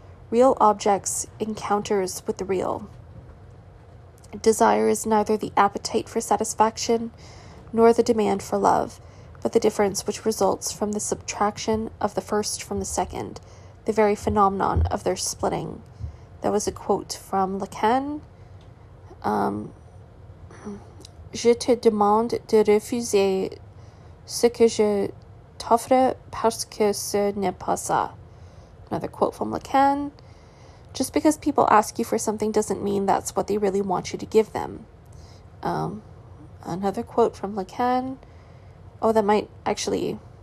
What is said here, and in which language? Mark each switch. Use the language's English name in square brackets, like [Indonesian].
[English] Real objects, encounters with the real. Desire is neither the appetite for satisfaction nor the demand for love, but the difference which results from the subtraction of the first from the second, the very phenomenon of their splitting. That was a quote from Lacan. [French] Je te demande de refuser ce que je t'offre parce que ce n'est pas ça. [English] Another quote from Lacan. Just because people ask you for something doesn't mean that's what they really want you to give them. Another quote from Lacan. Oh, that might actually...